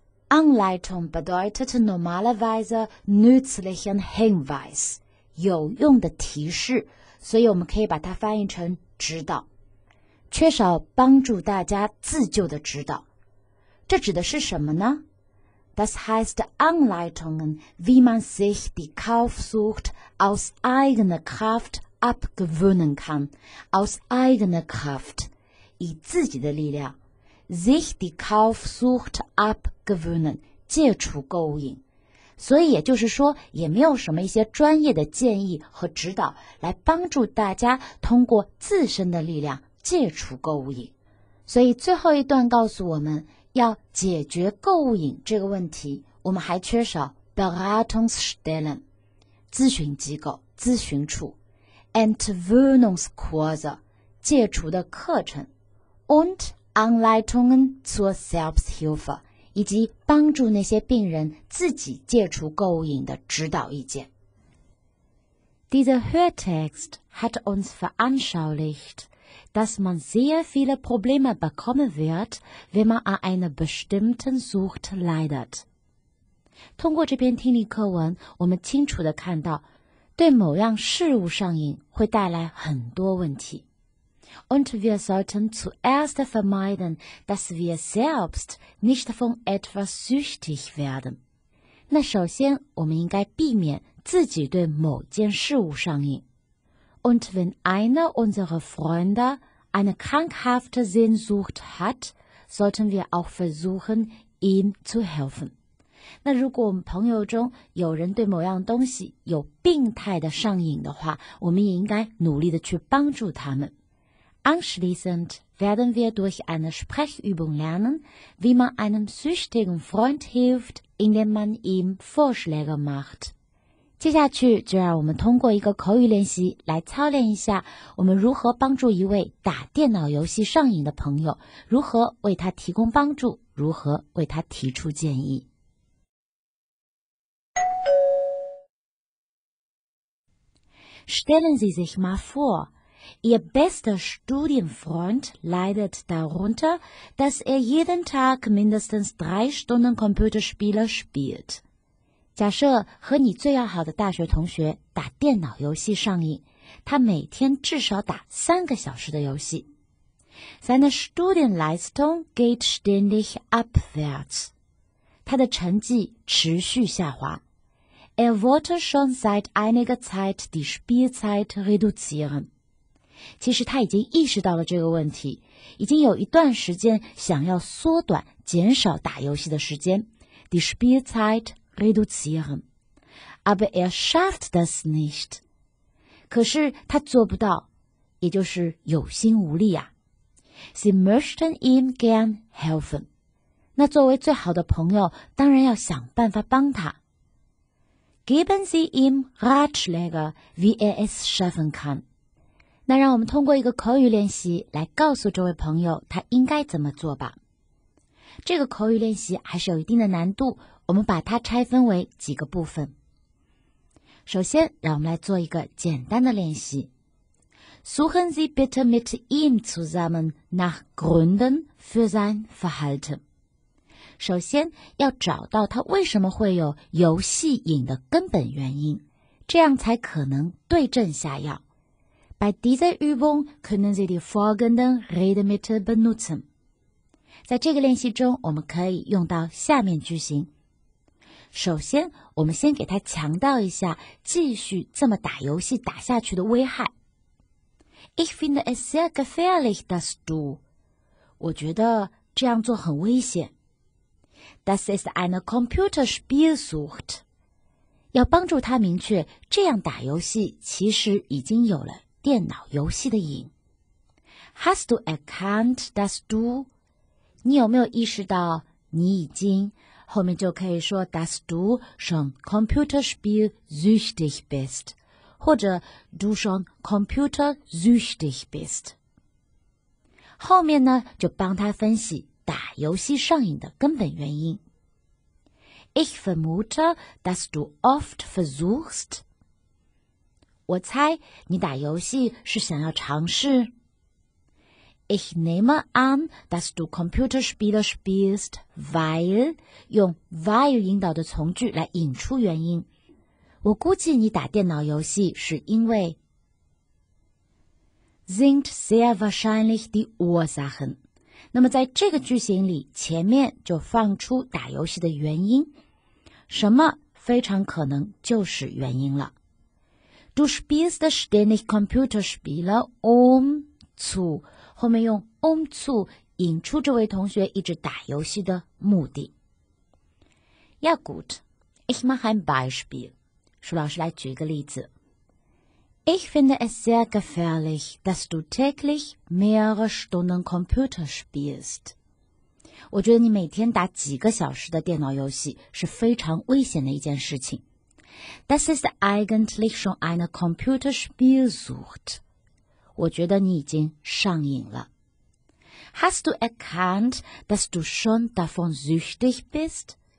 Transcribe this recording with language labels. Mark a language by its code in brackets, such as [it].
[de] Anleitung bedeutet normalerweise nützlichen Hinweis, [zh] 有用的提示，所以我们可以把它翻译成指导。缺少帮助大家自救的指导。这指的是什么呢？ [de] Das heißt Anleitungen, wie man sich die Kaufsucht aus eigener Kraft abgewöhnen kann. Aus eigener Kraft, [zh] 以自己的力量。 [de] Sich die Kaufsucht abgewöhnen, [zh] 戒除购物瘾。所以也就是说，也没有什么一些专业的建议和指导来帮助大家通过自身的力量戒除购物瘾。所以最后一段告诉我们，要解决购物瘾这个问题，我们还缺少 Beratungsstellen, 咨询机构、咨询处 [de] ,Entwöhnungskurse, [zh] 戒除的课程 [de] ,und Anleitungen zur Selbsthilfe, [zh] 以及帮助那些病人自己戒除购物瘾的指导意见。 [de] Dieser Hörtext hat uns veranschaulicht,dass man sehr viele Probleme bekommen wird, wenn man an einer bestimmten Sucht leidet. [zh] 通过这篇听力课文，我们清楚地看到，对某样事物上瘾会带来很多问题。 [de] Und wir sollten zuerst vermeiden, dass wir selbst nicht von etwas süchtig werden. [zh] 那首先，我们应该避免自己对某件事物上瘾。 [de] Und wenn einer unserer Freunde eine krankhafte Sehnsucht hat, sollten wir auch versuchen, ihm zu helfen. [zh] 那如果我们朋友中有人对某样东西有病态的上瘾的话，我们也应该努力地去帮助他们。 [de] Anschließend werden wir durch eine Sprechübung lernen, wie man einem süchtigen Freund hilft, indem man ihm Vorschläge macht. [zh] 接下去就让我们通过一个口语练习来操练一下我们如何帮助一位打电脑游戏上瘾的朋友，如何为他提供帮助，如何为他提出建议。 [de] Stellen Sie sich mal vor, Ihr bester Studienfreund leidet darunter, dass er jeden Tag mindestens 3 Stunden Computerspiele spielt. [zh] 假设和你最要好的大学同学打电脑游戏上瘾，他每天至少打3个小时的游戏。 [de] Seine Studienleistung geht ständig abwärts. [zh] 他的成绩持续下滑。 [de] Er wollte schon seit einiger Zeit die Spielzeit reduzieren. [zh] 其实他已经意识到了这个问题，已经有一段时间想要缩短、减少打游戏的时间。 [de] Die Spielzeit reduzieren. aber er schafft das nicht. [zh] 可是他做不到，也就是有心无力啊。 [de] Sie möchten ihm gern helfen. [zh] 那作为最好的朋友，当然要想办法帮他。 [de] Geben Sie ihm Ratschläge, wie er es schaffen kann. [zh] 那让我们通过一个口语练习来告诉这位朋友他应该怎么做吧。这个口语练习还是有一定的难度，我们把它拆分为几个部分。首先，让我们来做一个简单的练习。 [de] Suchen Sie bitte mit ihm zusammen nach Gründen für sein Verhalten. [zh] 首先，要找到他为什么会有游戏瘾的根本原因，这样才可能对症下药。 [de] Bei dieser Übung können Sie die folgenden Redemittel benutzen. [zh] 在这个练习中，我们可以用到下面句型。首先，我们先给他强调一下继续这么打游戏打下去的危害。 [de] Ich finde es sehr gefährlich, dass du. [zh] 我觉得这样做很危险。 [de] Das ist eine Computerspielsucht. [zh] 要帮助他明确，这样打游戏其实已经有了电脑游戏的瘾。 [de] Hast du erkannt, dass du? [zh] 你有没有意识到你已经？后面就可以说 [de] dass du schon computerspielsüchtig bist, [zh] 或者 [de] du schon computersüchtig bist. [zh] 后面呢，就帮他分析打游戏上瘾的根本原因。 [de] Ich vermute, dass du oft versuchst. [zh] 我猜你打游戏是想要尝试。 [de] Ich nehme an, dass du Computerspiele spielst, weil [zh] 用 weil 引导的从句来引出原因。我估计你打电脑游戏是因为 [de] sind sehr wahrscheinlich die Ursachen。 [zh] 那么在这个句型里，前面就放出打游戏的原因，什么非常可能就是原因了。 [de] Du spielst ständig Computerspiele, um zu [zh] 后面用 um zu 引出这位同学一直打游戏的目的。 [de] Ja gut, ich mache ein Beispiel. [zh] 舒老师来举一个例子。 [de] Ich finde es sehr gefährlich, dass du täglich mehrere Stunden Computer spielst. [zh] 我觉得你每天打几个小时的电脑游戏是非常危险的一件事情。 [de] Das ist eigentlich schon eine Computerspielsucht. [zh] 我觉得你已经上瘾了。 [de] Hast du erkannt, dass du schon davon süchtig bist?